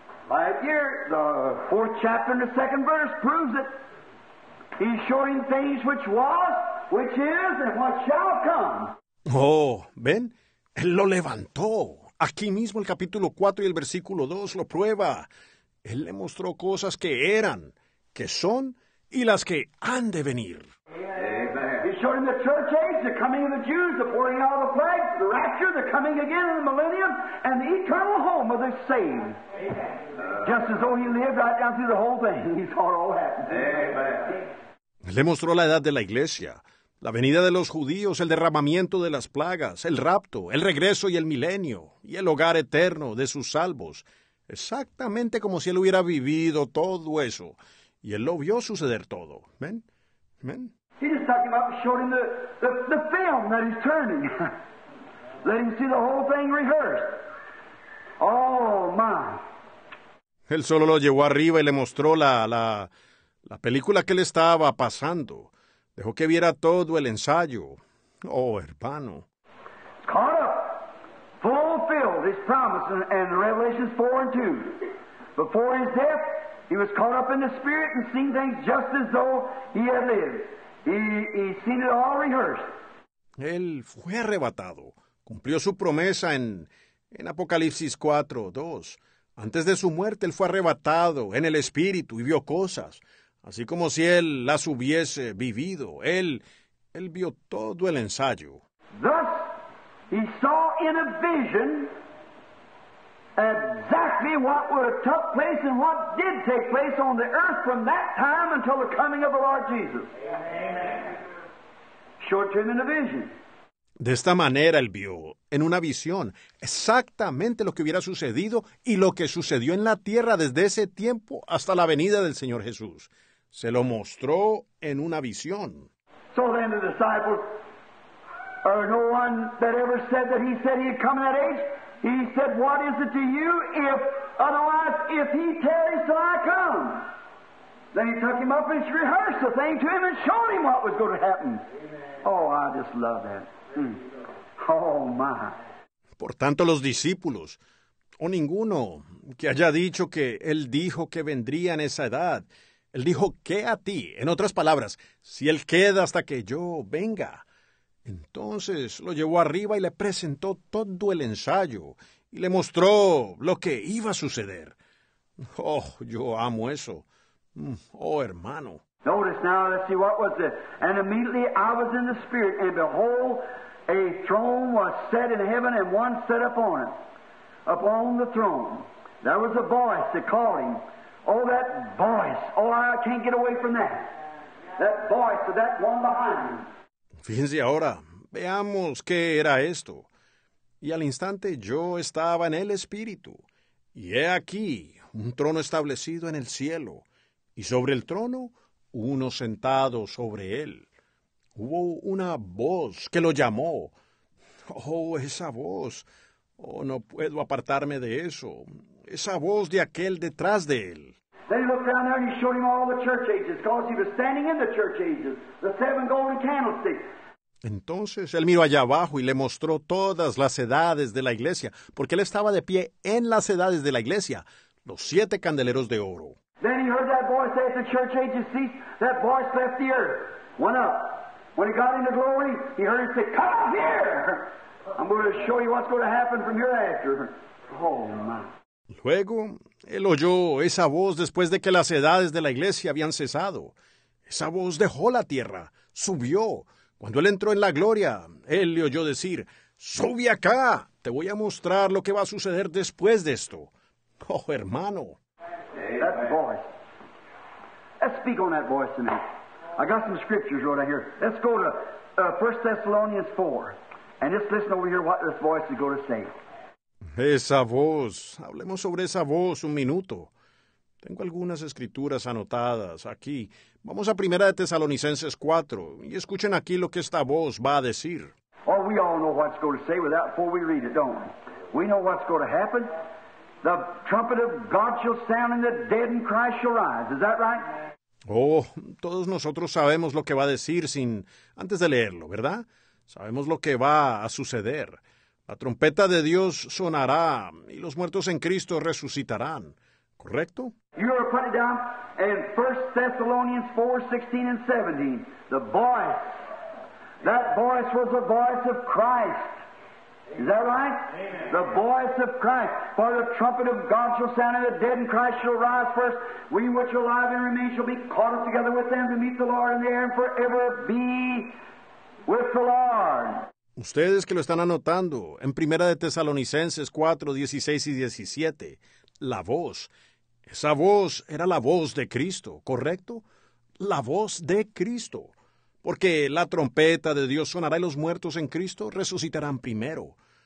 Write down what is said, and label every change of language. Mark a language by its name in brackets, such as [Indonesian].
[English] Right here, the fourth chapter and the second verse proves it. He's showing things which was, which is, and what shall come. [Spanish] Oh, ven, él lo levantó. Aquí mismo el capítulo 4 y el versículo 2 lo prueba. Él le mostró cosas que eran, que son, y las que han de venir. [English] Amen. He showed him the church age, the coming of the Jews, the pouring out of the flag, the rapture, the coming again of the millennium, and the eternal home of the saved. Amen. Just as though he lived right down through the whole thing, he saw it all happen. Amen. [Spanish] Le mostró la edad de la iglesia, la venida de los judíos, el derramamiento de las plagas, el rapto, el regreso y el milenio, y el hogar eterno de sus salvos. Exactamente como si él hubiera vivido todo eso. Y él lo vio suceder todo. ¿Ven? ¿Ven? [English] He just took him up and showed him the film that he's turning. Let him see the whole thing rehearsed. Oh, my. [Spanish] Él solo lo llevó arriba y le mostró la película que le estaba pasando. Dejó que viera todo el ensayo. Oh, hermano. [English] Caught up. Fulfilled his promise in Revelations 4 and 2. Before his death, he was caught up in the spirit and seen things just as though he had lived. He seen it all rehearsed. [Spanish] Él fue arrebatado. Cumplió su promesa en Apocalipsis 4, 2. Antes de su muerte, él fue arrebatado en el espíritu y vio cosas, así como si él las hubiese vivido. Él vio todo el ensayo. [English] Thus, he saw in a vision exactly what would have took place and what did take place on the earth from that time until the coming of the Lord Jesus. Amen. Showed to him in a vision. [Spanish] De esta manera él vio, en una visión, exactamente lo que hubiera sucedido y lo que sucedió en la tierra desde ese tiempo hasta la venida del Señor Jesús. Se lo mostró en una visión. [English] So then the disciples, or no one that ever said he'd come in that age, he said, what is it to you if, otherwise, if he tarries till I come? Then he took him up and rehearsed the thing to him and showed him what was going to happen. Oh, I just love that. Oh, my. [Spanish] Por tanto, los discípulos, o ninguno que haya dicho que él dijo que vendría en esa edad, él dijo que a ti. En otras palabras, si él queda hasta que yo venga. Entonces lo llevó arriba y le presentó todo el ensayo y le mostró lo que iba a suceder. Oh, yo amo eso. Oh, hermano. [English] Notice now, let's see what was this. And immediately I was in the spirit, and behold, a throne was set in heaven, and one set upon it. Upon the throne, there was a voice that called him. Oh, that voice. Oh, I can't get away from that. That voice of that one behind him. [Spanish] Fíjense ahora, veamos qué era esto. Y al instante yo estaba en el Espíritu, y he aquí un trono establecido en el cielo, y sobre el trono uno sentado sobre él. Hubo una voz que lo llamó. Oh, esa voz. Oh, no puedo apartarme de eso. Esa voz de aquel detrás de él. [English] Then he looked down there and he showed him all the church ages, because he was standing in the church ages, the seven golden candlesticks. [Spanish] Entonces él miró allá abajo y le mostró todas las edades de la iglesia, porque él estaba de pie en las edades de la iglesia, los siete candeleros de oro. [English] Then he heard that voice say, as the church ages ceased, that voice left the earth, went up. When he got into glory, he heard it say, come up here! I'm going to show you what's going to happen from hereafter. Oh, my. [Spanish] Luego, él oyó esa voz después de que las edades de la iglesia habían cesado. Esa voz dejó la tierra, subió. Cuando él entró en la gloria, él le oyó decir, ¡sube acá! Te voy a mostrar lo que va a suceder después de esto. ¡Oh, hermano! [English] That voice. Let's speak on that voice tonight. I got some scriptures right here. Let's go to 1 Thessalonians 4. And just listen over here what this voice is going to say. [Spanish] Esa voz. Hablemos sobre esa voz un minuto. Tengo algunas escrituras anotadas aquí. Vamos a Primera de Tesalonicenses 4 y escuchen aquí lo que esta voz va a decir. [English] Oh, we all know what's going to say without before we read it, don't we? We know what's going to happen. The trumpet of God shall sound and the dead in Christ shall rise. Is that right? [Spanish] Oh, todos nosotros sabemos lo que va a decir sin antes de leerlo, ¿verdad? Sabemos lo que va a suceder. La trompeta de Dios sonará y los muertos en Cristo resucitarán, ¿correcto? [English] You are putting down in 1 Thessalonians 4, 16 and 17, the voice. That voice was the voice of Christ. Is that right? Amen. The voice of Christ. For the trumpet of God shall sound and the dead in Christ shall rise first. We which are alive and remain shall be caught up together with them to meet the Lord in the air and forever be with the Lord. [Spanish] Ustedes que lo están anotando, en Primera de Tesalonicenses 4, 16 y 17, la voz. Esa voz era la voz de Cristo, ¿correcto? La voz de Cristo. Porque la trompeta de Dios sonará y los muertos en Cristo resucitarán primero.